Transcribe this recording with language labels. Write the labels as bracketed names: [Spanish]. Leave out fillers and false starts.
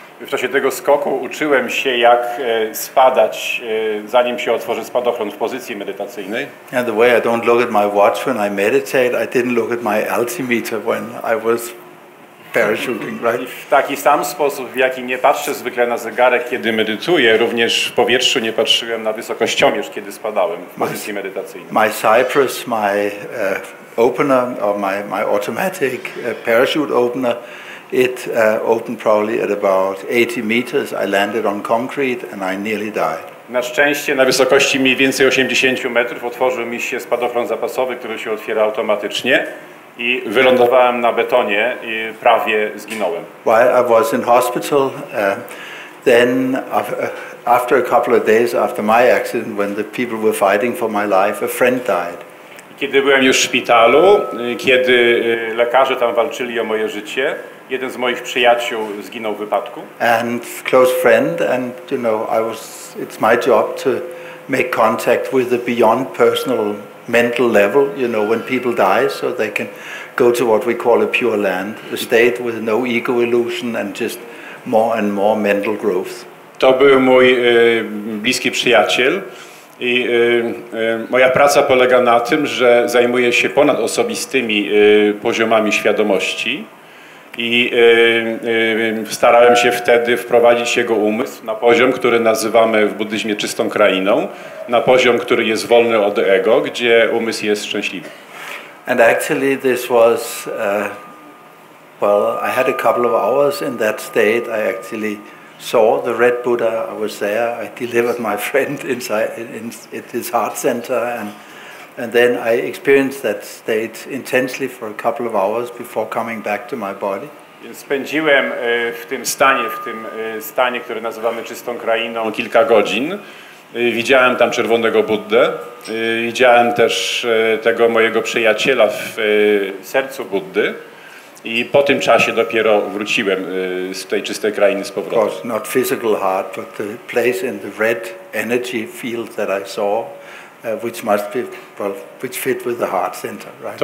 [Polish] W czasie tego skoku uczyłem się, jak spadać, zanim się otworzy spadochron, w pozycji medytacyjnej. [English] And the way I don't look at my watch when I meditate, I didn't look at my altimeter when I was parachuting, right? [Polish] I w taki sam sposób, w jaki nie patrzę zwykle na zegarek, kiedy medytuję, również w powietrzu nie patrzyłem na wysokościomierz, kiedy spadałem w pozycji medytacyjnej. [English] My Cyprus, my opener, or my automatic parachute opener, it opened probably at about 80 meters. I landed on concrete and I nearly died. [Polish] Na szczęście na wysokości mniej więcej 80 metrów otworzył mi się spadochron zapasowy, który się otwiera automatycznie, i wylądowałem na betonie i prawie zginąłem. [English] While I was in hospital, then after a couple of days after my accident, when the people were fighting for my life, a friend died. [Polish] Kiedy byłem już w szpitalu, kiedy lekarze tam walczyli o moje życie, jeden z moich przyjaciół zginął w wypadku. [English] And close friend, and you know, it's my job to make contact with the beyond personal mental level, you know, when people die, so they can go to what we call a pure land, a state with no ego illusion and just more and more mental growth. [Polish] To był mój bliski przyjaciel. I moja praca polega na tym, że zajmuję się ponad osobistymi poziomami świadomości i starałem się wtedy wprowadzić jego umysł na poziom, który nazywamy w buddyzmie czystą krainą, na poziom, który jest wolny od ego, gdzie umysł jest szczęśliwy. [English] And actually this was well, I had a couple of hours in that state. I actually saw the Red Buddha. I was there. I delivered my friend inside in his heart center, and then I experienced that state intensely for a couple of hours before coming back to my body. [Polish] Spędziłem w tym stanie, który nazywamy czystą krainą, kilka godzin. Widziałem tam czerwonego Buddę. Widziałem też tego mojego przyjaciela w sercu Buddy. I po tym czasie dopiero wróciłem z tej czystej krainy z powrotem. [English] Of course, not physical heart, but the place in the red energy field that I saw, which fit with the heart center, right?